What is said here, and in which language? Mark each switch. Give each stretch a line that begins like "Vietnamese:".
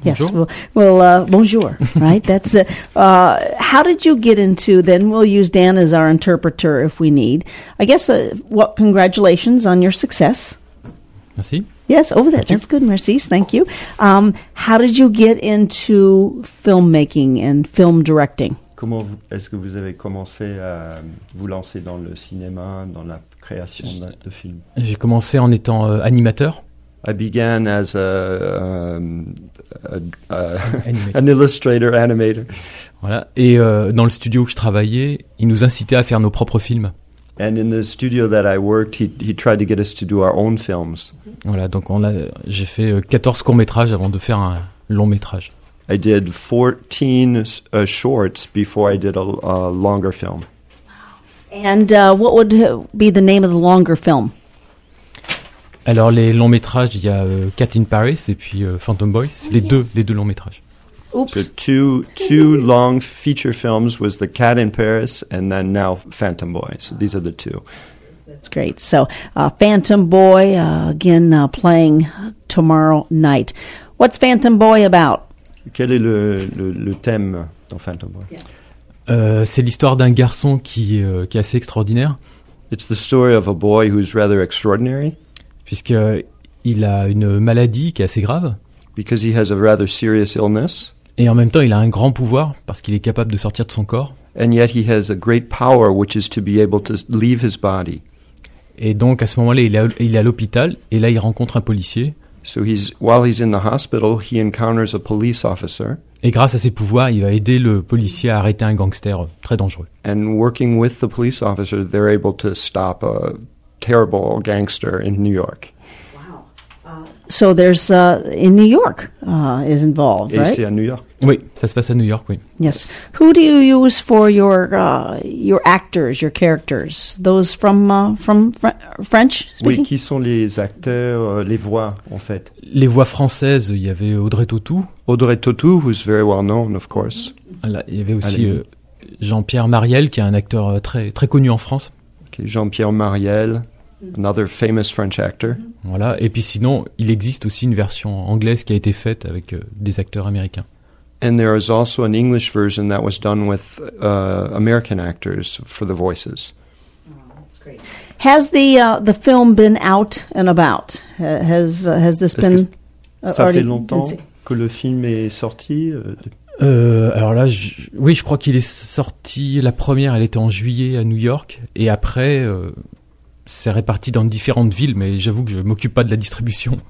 English: Yes.
French: Bonjour. Bonjour.
English: Right. That's how did you get into? Then we'll use Dan as our interpreter if we need. I guess. Congratulations on your success.
French: Merci.
English: Yes. Over there. That's good.
French: Merci.
English: Thank you. How did you get into filmmaking and film directing?
French: Comment est-ce que vous avez commencé à vous lancer dans le cinéma, dans la création de films? J'ai commencé en étant animateur.
English: I began as an illustrator, animator.
French: Voilà. Et dans le studio où je travaillais, il nous incitait à faire nos propres films.
English: And in the studio that I worked, he tried to get us to do our own films.
French: Voilà. Donc j'ai fait 14 courts-métrages avant de faire un long métrage.
English: I did 14 shorts before I did a longer film. And what would be the name of the longer film?
French: Alors, les longs-métrages, il y a Cat in Paris et puis Phantom Boy, c'est les deux longs-métrages.
English: Oops. So two long feature films was The Cat in Paris and then now Phantom Boy. So these are the two. That's great. So Phantom Boy, again, playing tomorrow night. What's Phantom Boy about?
French: Quel est le thème dans Phantom Boy? Yeah. C'est l'histoire d'un garçon qui est assez extraordinaire.
English: It's the story of a boy who's rather extraordinary.
French: Puisqu'il a une maladie qui est assez grave.
English: Because he has a rather serious illness.
French: Et en même temps, il a un grand pouvoir, parce qu'il est capable de sortir de son corps.
English: And yet he has a great power, which is to be able to leave his body.
French: Et donc, à ce moment-là, il est à l'hôpital, et là, il rencontre un policier.
English: So while he's in the hospital, he encounters a police officer.
French: Et grâce à ses pouvoirs, il va aider le policier à arrêter un gangster très dangereux.
English: And working with the police officer, they're able to stop a terrible gangster in New York. Wow. So there's in New York is involved, right?
French: Et c'est à New York. Oui, ça se passe à New York, oui.
English: Yes. Who do you use for your actors, your characters? Those from French speaking?
French: Oui, qui sont les acteurs, les voix en fait? Les voix françaises, il y avait Audrey Tautou.
English: Audrey Tautou, who's very well known, of course.
French: Là, il y avait aussi Jean-Pierre Marielle, qui est un acteur très très connu en France.
English: Okay, Jean-Pierre Marielle, another famous French actor.
French: Voilà, et puis sinon, il existe aussi une version anglaise qui a été faite avec des acteurs américains.
English: And there is also an English version that was done with American actors for the voices. Oh, that's great. Has the film been out and about? Has this been
French: ça fait longtemps que le film est sorti? Alors là, je crois qu'il est sorti, la première, elle était en juillet à New York, et après, c'est réparti dans différentes villes, mais j'avoue que je ne m'occupe pas de la distribution.